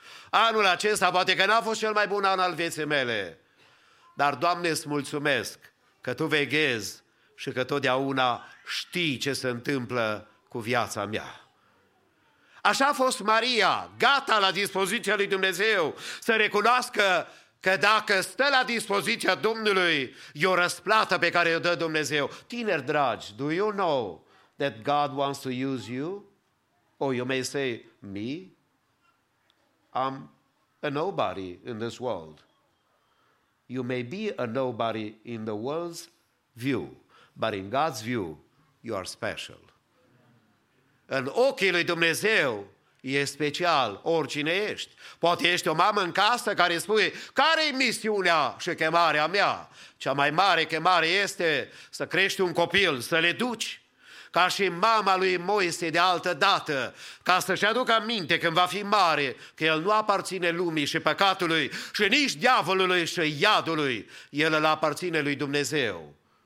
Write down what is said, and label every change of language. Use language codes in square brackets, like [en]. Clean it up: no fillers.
[ro] Anul acesta poate că n-a fost cel mai bun an al vieții mele, dar, Doamne, îți mulțumesc că Tu veghezi și că totdeauna știi ce se întâmplă cu viața mea. Așa a fost Maria, gata la dispoziția lui Dumnezeu, să recunoască că dacă stă la dispoziția Domnului, e o răsplată pe care o dă Dumnezeu. Tineri dragi, [en] do you know that God wants to use you? Or you may say, me? I'm a nobody in this world. You may be a nobody in the world's view, but in God's view, you are special. [ro] În ochii lui Dumnezeu, e special oricine ești. Poate ești o mamă în casă care spui, care-i misiunea și chemarea mea? Cea mai mare chemare este să crești un copil, să-l educi, ca și mama lui Moise de altă dată, ca să-și aducă aminte când va fi mare că el nu aparține lumii și păcatului și nici diavolului și iadului, el îl aparține lui Dumnezeu.